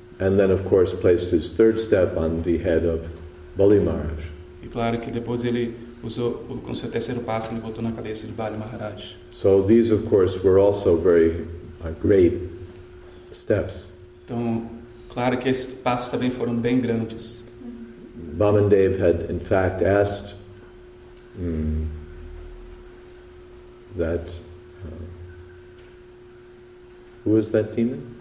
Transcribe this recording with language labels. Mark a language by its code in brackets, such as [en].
[en] And then, of course, placed his third step on the head of Bali Maharaj. [pt] E claro que depois ele usou, com seu terceiro passo, ele botou na cabeça de Bali Maharaj. [en] So these, of course, were also very great steps. [pt] Então, claro que esses passos também foram bem grandes. [en] Vamandev had, in fact, asked that who was that demon?